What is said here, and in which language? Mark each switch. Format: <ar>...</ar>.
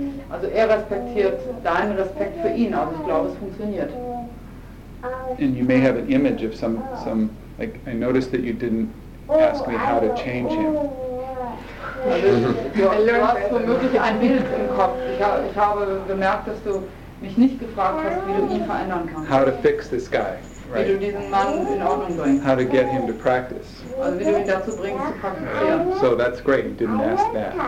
<de>Also er respektiert deinen Respekt für ihn, also ich glaube, es funktioniert.</de> <en>And you may have an image of some, like, I noticed that you didn't ask me how to change him.</en> <de>Also, du hast womöglich ein Bild im Kopf. Ich habe gemerkt, dass du mich nicht gefragt hast, wie du ihn verändern kannst.</de> <en>How to fix this guy, right?</en> <de>Wie du diesen Mann in Ordnung bringst.</de> <en>How to get him to practice.</en> <de>Also wie du ihn dazu bringst, zu praktizieren.</de> <en>So that's great, you didn't ask that.</en>